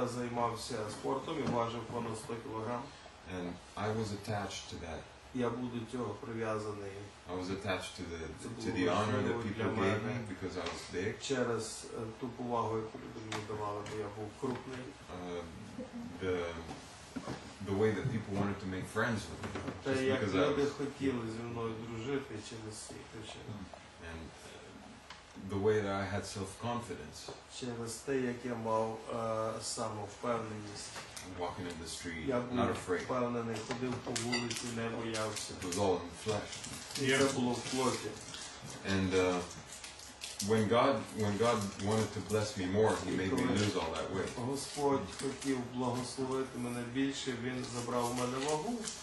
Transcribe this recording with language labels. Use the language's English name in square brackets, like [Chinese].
[Ukrainian] Я займався спортом і важив понад 100 кілограм. [English] And I was attached to that. [Ukrainian] Я був до цього прив'язаний. [English] I was attached to the honor that people gave me because I was big. [Ukrainian] Через ту повагу, яку люди мені давали, бо я був крупний. [English] The way that people wanted to make friends with me. [Ukrainian] Та як люди хотіли зі мною дружити через ці причини. [English] And the way that I had self-confidence. [Ukrainian] Через те, як я мав самовпевненість. [English] Walking in the street, not afraid. [Ukrainian] Впевнений, ходив по вулиці, не боявся. [English] It was all in the flesh. [Ukrainian] Yeah. Це було в плоті. [English] And when God wanted to bless me more, he made me lose all that weight. [Ukrainian] Господь хотів благословити мене більше, він забрав у мене вагу.